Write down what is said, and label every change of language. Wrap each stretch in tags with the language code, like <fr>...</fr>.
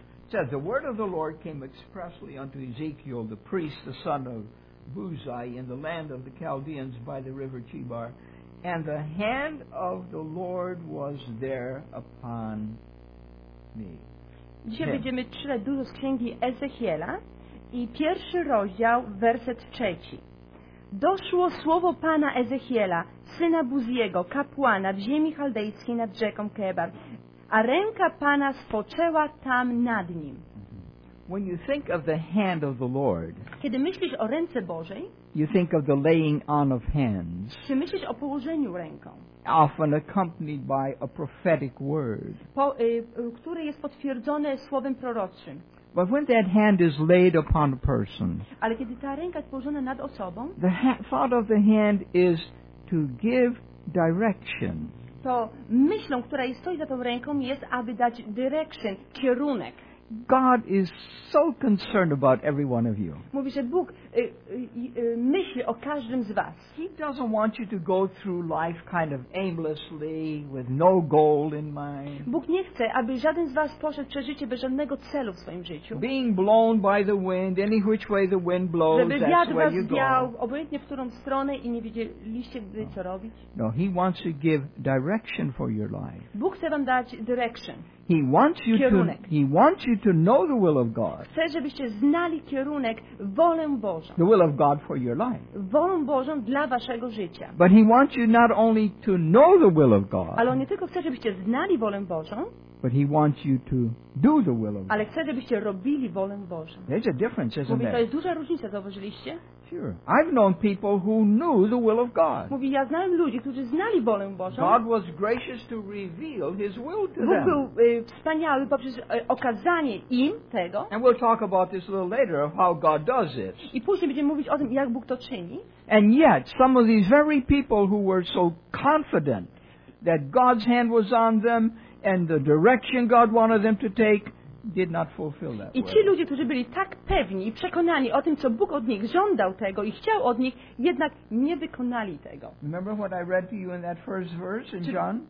<en>Says the word of the Lord came expressly unto Ezekiel the priest, the son of Buzi, in the land of the Chaldeans by the river Chebar, and the hand of the Lord was there upon me.</en> <pl>Dzisiaj będziemy czytać dużo z księgi Ezechiela i pierwszy rozdział, werset trzeci. Doszło słowo Pana Ezechiela, syna Buziego, kapłana w ziemi chaldejskiej nad rzeką Kebar. A ręka Pana spoczęła tam nad nim.</pl> <en>When you think of the hand of the Lord,</en> <pl>kiedy myślisz o ręce Bożej,</pl> <en>you think of the laying on of hands,</en> <pl>czy myślisz o położeniu ręką,</pl> <en>often accompanied by a prophetic word,</en> <pl>które jest potwierdzone słowem proroczym.</pl> <en>But when that hand is laid upon a person,</en> <pl>ale kiedy ta ręka jest położona nad osobą,</pl> <en>the thought of the hand is to give direction.</en> <pl>To myślą, która stoi za tą ręką, jest, aby dać direction, kierunek.</pl> <en>God is so concerned about every one of you.</en> <pl>Mówi, że Bóg myśli o każdym z was.</pl> <en>He doesn't want you to go through life kind of aimlessly with no goal in mind.</en> <pl>Bóg nie chce, aby żaden z was poszedł przez życie bez żadnego celu w swoim życiu.</pl> <en>Being blown by the wind, any which way the wind blows, that's where you go.</en> <pl>Żeby wiatr was wiał obojętnie w którą stronę i nie wiedzieliście, co robić.</pl> <en>No, he wants to give direction for your life.</en> <pl>Bóg chce wam dać direction.</pl> <en>He wants you to know the will of God.</en> <pl>Chce, żebyście znali kierunek, wolę Bożą.</pl> <en>The will of God for your life.</en> <pl>Wolę Bożą dla waszego życia.</pl> <en>But he wants you not only to know the will of God.</en> <pl>Ale on nie tylko chce, żebyście znali wolę Bożą.</pl> <en>But he wants you to do the will of God.</en> <pl>Ale chce, żebyście robili wolę Bożą.</pl> <en>There's a difference, isn't</en> <pl>there? To jest duża różnica, zauważyliście?</pl> <en>Sure. I've known people who knew the will of God.</en> <pl>Mówi, ja znałem ludzi, którzy znali wolę Bożą.</pl> <en>God was gracious to reveal his will to them.</en> <pl>Bóg był wspaniały poprzez okazanie im tego.</pl> <en>And we'll talk about this a little later of how God does it.</en> <pl>I później będziemy mówić o tym, jak Bóg to czyni.</pl> <en>And yet, some of these very people who were so confident that God's hand was on them and the direction God wanted them to take, did not fulfill that.</en> <pl>I ci ludzie, którzy byli tak pewni i przekonani o tym, co Bóg od nich żądał tego i chciał od nich, jednak nie wykonali tego.</pl> <en>Remember what I read to you in that first verse in John?</en>